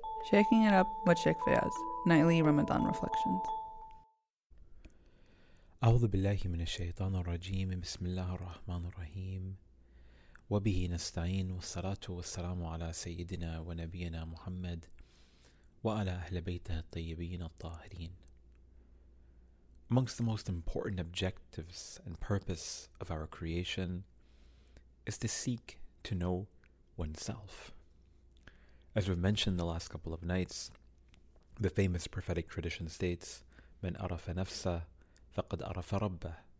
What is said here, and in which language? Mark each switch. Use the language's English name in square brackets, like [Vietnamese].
[English] Shaking it up with Sheikh Fayaz, nightly Ramadan Reflections. [Arabic] أعوذ بالله من الشيطان الرجيم بسم الله الرحمن الرحيم وبه نستعين والصلاة والسلام على سيدنا ونبينا محمد وعلى أهل بيته الطيبين الطاهرين. [English] Amongst the most important objectives and purpose of our creation is to seek to know oneself. As we've mentioned the last couple of nights, the famous prophetic tradition states, [Arabic] من عرف نفسه فقد عرف ربه.